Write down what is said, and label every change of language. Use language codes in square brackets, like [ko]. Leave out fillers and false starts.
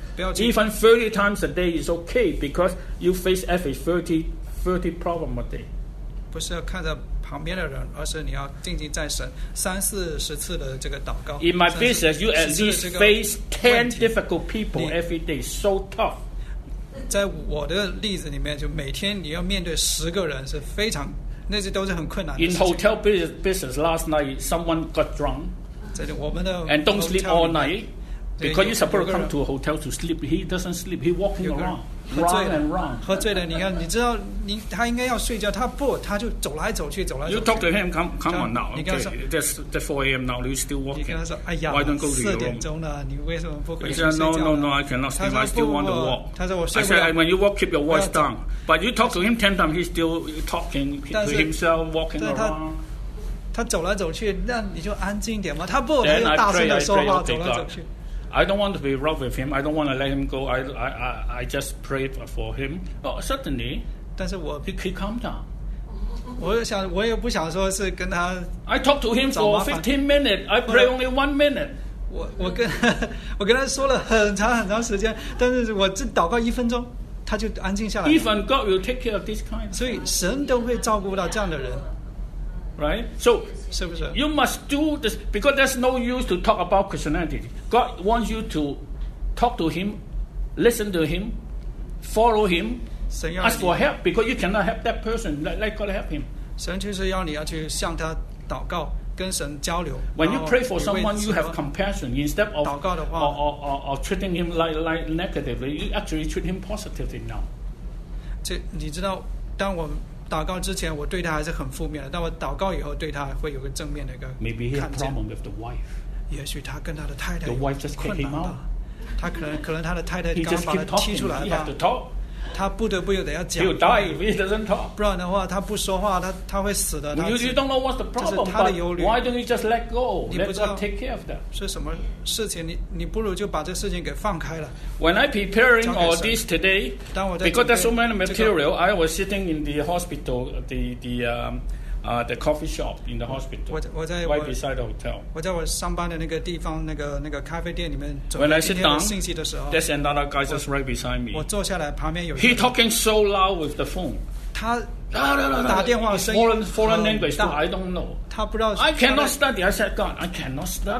[en] Even 30 times a day is okay because you face every 30 problem a day. [zh] 不是要看着旁边的人，而是你要定睛在神三四十次的这个祷告。 [en] In my business, you at least face 10 difficult people every day. So tough. [zh] 在我的例子里面，就每天你要面对十个人是非常，那些都是很困难的事情。 [en] In hotel business, last night someone got drunk. [zh] 在我们的 [en] and don't sleep all night because you supposed to come to a hotel to sleep. He doesn't sleep. He walking around, round and round. [zh] 喝醉了，你看，你知道你他应该要睡觉，他不，他就走来走去，走来走去。 [en] You talk to him. Come on now. Okay, that's 4 a.m. now. You still walking? [zh] 你跟他说，哎呀， [en] Why don't go to your room? [zh] 4 a.m. 了，你为什么不回去睡觉？ [en] He said, No, I cannot sleep. I still want to walk. [zh] 他说我睡不了。 [en] I said, when you walk, keep your voice down. But you talk to him 10 times, he's still talking to himself, walking around. [zh] 他走来走去，那你就安静点嘛。他不，他又大声的说话，走来走去。 [en] I don't want to be rough with him. I don't want to let him go. I just pray for him. Oh, suddenly, [zh] 但是我 [en] he calm down. [zh] 我也不想说是跟他。 [en] I talk to him for 15 minutes. I pray only 1 minute. [zh] 我跟他说了很长很长时间，但是我只祷告一分钟，他就安静下来。 [en] Even God will take care of this kind. [zh] 所以神都会照顾到这样的人。 [en] Right, so [zh] 是不是 [en] you must do this because there's no use to talk about Christianity. God wants you to talk to Him, listen to Him, follow Him, ask for help because you cannot help that person. Let God help him. [zh] 神就是要你要去向他祷告，跟神交流。 [en] When you pray for someone, you have compassion instead of [zh] 祷告的话 [en] or treating him like negatively. You actually treat him positively now. [zh] 这你知道，当我祷告之前我对他还是很负面的，但我祷告以后对他会有个正面的一个看见。 [en] Maybe he has a problem with the wife. [zh] 也许他跟他的太太 [en] The wife just kicked him out. [zh] 他可能他的太太刚把他踢出来吧。 [en] He has to talk. [zh] 他不得不有得要讲。 [en] He'll die if he doesn't talk. [zh] 不然的话他不说话他会死的。 [en] You don't know what's the problem. [zh] 这是他的忧虑。 [en] Why don't you just let go? Let God take care of that. [zh] 是什么事情 你不如就把这事情给放开了。 [en] When I preparing all this today, because there's so many material, I was sitting in the hospital, the coffee shop in the hospital, right beside the hotel. [zh] 我在我上班的那个地方，那个咖啡店里面。 [en] When I sit down, [zh] 信息的时候 [en] there's another guy just right beside me. [zh] 我坐下来，旁边有。 [en] He talking so loud with the phone. [zh] 他打电话声音。 [en] Foreign language, too, I don't know. [zh] 他不知道。 [en] I cannot study. I said, God, I cannot study.